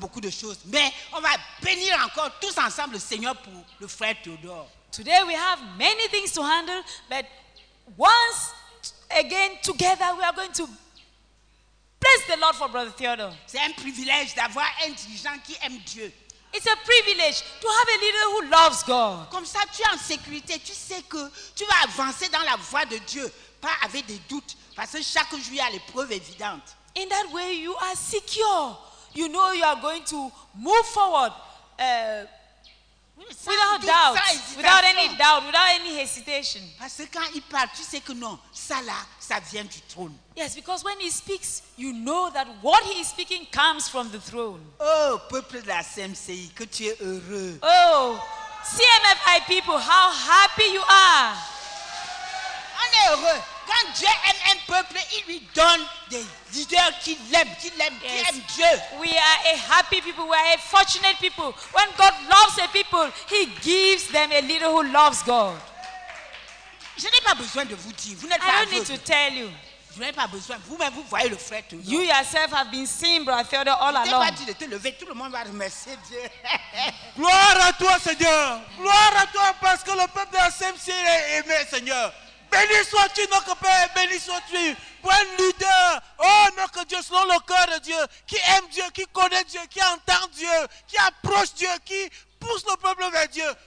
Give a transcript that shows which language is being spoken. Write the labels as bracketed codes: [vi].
[fr] choses, mais on va bénir encore tous ensemble le Seigneur pour le frère Théodore. [en] Today we have many things to handle, but once again together we are going to praise the Lord for brother Theodore. [fr] C'est un privilège d'avoir un dirigeant qui aime Dieu. [en] It's a privilege to have a leader who loves God. [fr] Comme ça, tu es en sécurité. Tu sais que tu vas avancer dans la voie de Dieu, pas avec des doutes, parce que chaque jour il y a les preuves évidentes. [en] In that way, you are secure. You know you are going to move forward without doubt, without any doubt, without any hesitation. [fr] Parce que quand il parle, tu sais que non, ça là, ça vient du trône. [en] Yes, because when he speaks, you know that what he is speaking comes from the throne. [fr] Oh, peuple de la CMCI, que tu es heureux. [en] Oh, CMFI people, how happy you are. [fr] On est heureux. Quand Dieu aime un peuple, il lui donne des leaders qui l'aiment, yes. Qui aiment Dieu. [en] We are a happy people, we are a fortunate people. When God loves a people, he gives them a leader who loves God. [fr] Je n'ai pas besoin de vous dire, vous n'êtes [en] pas. I don't need to tell you. [fr] Je n'ai pas besoin. Vous-même, vous voyez le frère Théodore. [en] You yourself have been seen, brother Theodore, all along. [fr] Tu n'as pas dit de te lever, tout le monde va remercier Dieu. Gloire à toi, Seigneur. Gloire à toi, parce que le peuple de la CMC est aimé, Seigneur. Béni sois-tu, notre Père, béni sois-tu. Point leader, oh notre Dieu, selon le cœur de Dieu, qui aime Dieu, qui connaît Dieu, qui entend Dieu, qui approche Dieu, qui pousse le peuple vers Dieu.